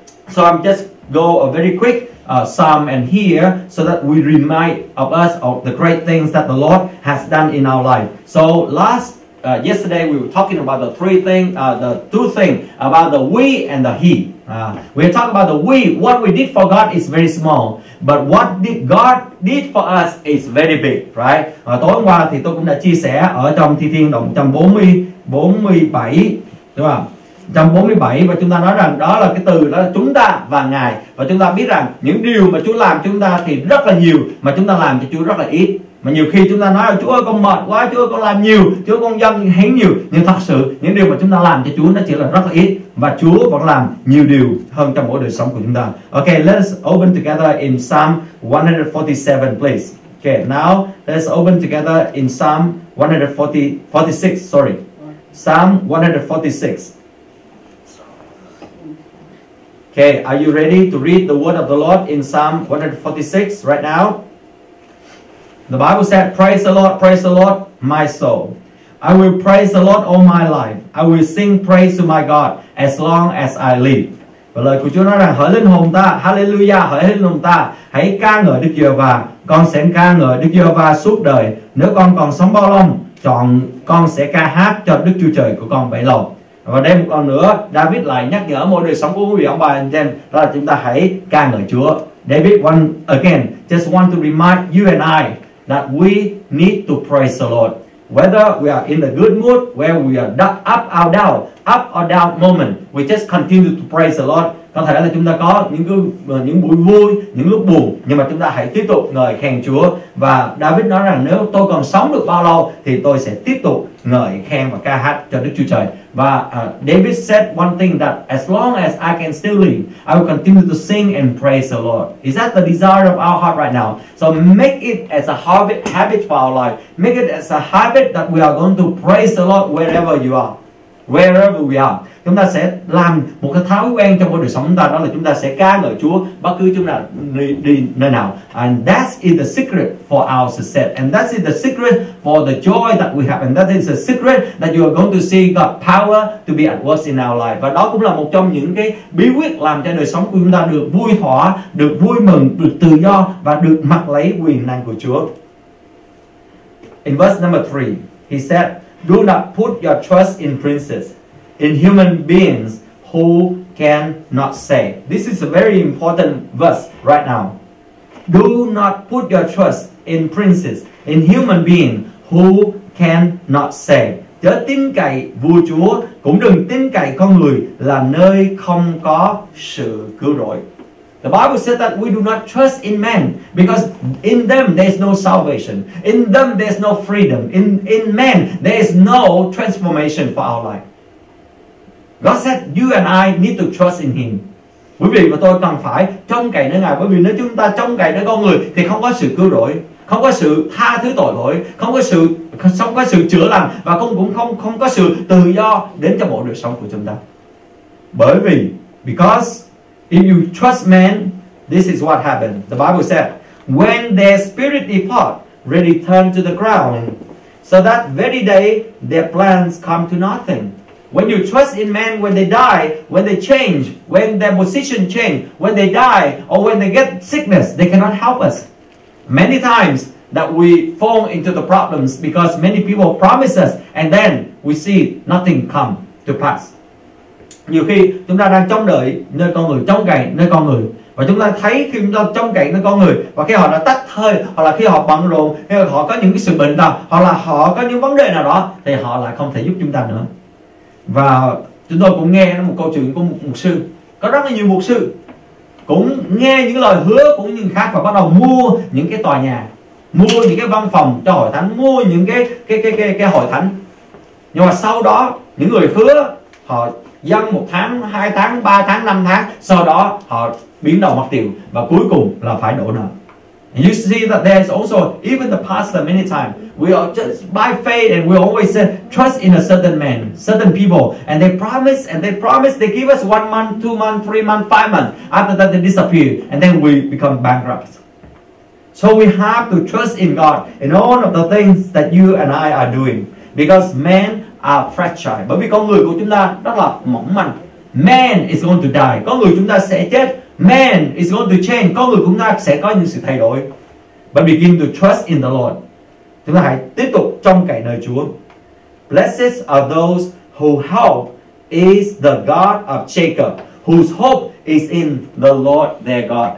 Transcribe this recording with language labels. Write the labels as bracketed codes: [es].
[en] So I'm just go a very quick psalm and here so that we remind of us of the great things that the Lord has done in our life. So yesterday we were talking about the two things about the we and the he. We're talking about the we. What we did for God is very small, but what did God did for us is very big, right? [vi] Tối hôm qua thì tôi cũng đã chia sẻ ở trong Thi Thiên đoạn 147, đúng không? 147 và chúng ta nói rằng đó là cái từ đó là chúng ta và Ngài. Và chúng ta biết rằng những điều mà Chúa làm chúng ta thì rất là nhiều, mà chúng ta làm cho Chúa rất là ít. Mà nhiều khi chúng ta nói là Chúa ơi con mệt quá, Chúa ơi con làm nhiều, Chúa ơi con dâng hiến nhiều. Nhưng thật sự những điều mà chúng ta làm cho Chúa nó chỉ là rất là ít. Và Chúa vẫn làm nhiều điều hơn trong mỗi đời sống của chúng ta. [en] Ok, let's open together in Psalm 147 please. Ok, now let's open together in Psalm 146. Psalm 146. Okay, are you ready to read the word of the Lord in Psalm 146 right now? The Bible said, praise the Lord, my soul. I will praise the Lord all my life. I will sing praise to my God as long as I live. [vi] Và lời của Chúa nói rằng, hỡi linh hồn ta, hallelujah, hỡi linh hồn ta, hãy ca ngợi Đức Giê-hô-va. Con sẽ ca ngợi Đức Giê-hô-va suốt đời. Nếu con còn sống bao lâu, chọn con sẽ ca hát cho Đức Chúa Trời của con bấy lâu. Và đây một lần nữa, David lại nhắc nhở mỗi đời sống của quý vị ông bà anh chị em, đó là chúng ta hãy ca ngợi Chúa. [en] David one again just want to remind you and I that we need to praise the Lord. Whether we are in a good mood, where we are up or down, up or down moment, we just continue to praise the Lord. [vi] Có thể là chúng ta có những buổi vui, những lúc buồn, nhưng mà chúng ta hãy tiếp tục ngợi khen Chúa. Và David nói rằng nếu tôi còn sống được bao lâu thì tôi sẽ tiếp tục ngợi khen và ca hát cho Đức Chúa Trời. [en] Và David said one thing that as long as I can still live, I will continue to sing and praise the Lord. Is that the desire of our heart right now? So make it as a habit for our life. Make it as a habit that we are going to praise the Lord wherever you are. Wherever we are, [vi] chúng ta sẽ làm một cái thói quen trong cuộc đời sống chúng ta, đó là chúng ta sẽ ca ngợi Chúa bất cứ chúng ta đi nơi nào. [en] And that is the secret for our success, and that is the secret for the joy that we have, and that is the secret that you are going to see God power to be at work in our life. [vi] Và đó cũng là một trong những cái bí quyết làm cho đời sống của chúng ta được vui thỏa, được vui mừng, được tự do và được mặc lấy quyền năng của Chúa. [en] In verse number 3, he said, do not put your trust in princes, in human beings who cannot save. This is a very important verse right now. Do not put your trust in princes, in human beings who cannot save. [vi] Chớ tin cậy vua chúa, cũng đừng tin cậy con người là nơi không có sự cứu rỗi. [en] The Bible says that we do not trust in men because in them there is no salvation. In them there is no freedom. In men there is no transformation for our life. God said you and I need to trust in Him. [vi] Quý vị và tôi cần phải trông cậy nơi Ngài, bởi vì nếu chúng ta trông cậy nơi con người thì không có sự cứu rỗi, không có sự tha thứ tội lỗi, không có sự chữa lành và không có sự tự do đến cho mỗi đời sống của chúng ta. Bởi vì [en] if you trust men, this is what happened. The Bible said, when their spirit depart, they return to the ground, so that very day their plans come to nothing. When you trust in men, when they die, when they change, when their position change, when they die, or when they get sickness, they cannot help us. Many times that we fall into the problems because many people promise us, and then we see nothing come to pass. [vi] Nhiều khi chúng ta đang trông đợi nơi con người, trông cậy nơi con người. Và chúng ta thấy khi chúng ta trông cậy nơi con người, và khi họ đã tắt hơi, hoặc là khi họ bận rộn, khi họ có những cái sự bệnh nào, hoặc là họ có những vấn đề nào đó, thì họ lại không thể giúp chúng ta nữa. Và chúng tôi cũng nghe một câu chuyện của một mục sư. Có rất là nhiều mục sư cũng nghe những lời hứa của những khác và bắt đầu mua những cái tòa nhà, mua những cái văn phòng cho hội thánh, mua những cái hội thánh. Nhưng mà sau đó những người hứa họ dân 1 tháng, 2 tháng, 3 tháng, 5 tháng, sau đó họ biến đầu mất tiền và cuối cùng là phải đổ nợ. [en] You see that there's also even the pastor many times we are just by faith and we always say trust in a certain man, certain people, and they promise they give us 1 month, 2 months, 3 months, 5 months, after that they disappear and then we become bankrupt. So we have to trust in God in all of the things that you and I are doing because men are fragile. [vi] Bởi vì con người của chúng ta rất là mỏng manh. [en] Man is going to die. [vi] Con người chúng ta sẽ chết. [en] Man is going to change. [vi] Con người chúng ta sẽ có những sự thay đổi. [en] But begin to trust in the Lord. [vi] Chúng ta hãy tiếp tục trông cậy nơi Chúa. [en] Blessed are those whose help is the God of Jacob, whose hope is in the Lord their God.